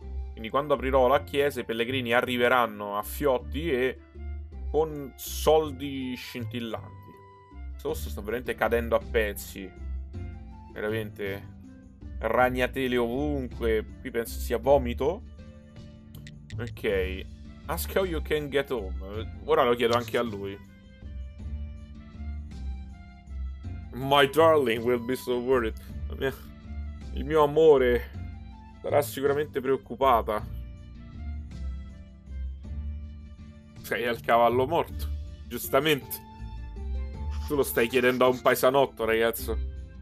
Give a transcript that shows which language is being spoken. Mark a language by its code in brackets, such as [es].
[it] Quindi quando aprirò la chiesa i pellegrini arriveranno a fiotti e con soldi scintillanti. Questo sta veramente cadendo a pezzi. Veramente. Ragnatele ovunque. Qui penso sia vomito. Ok. [en] Ask how you can get home. [it] Ora lo chiedo anche a lui. [en] My darling will be so worried. [it] Il mio amore sarà sicuramente preoccupata. Sei al cavallo morto, giustamente. Tu lo stai chiedendo a un paesanotto, ragazzo.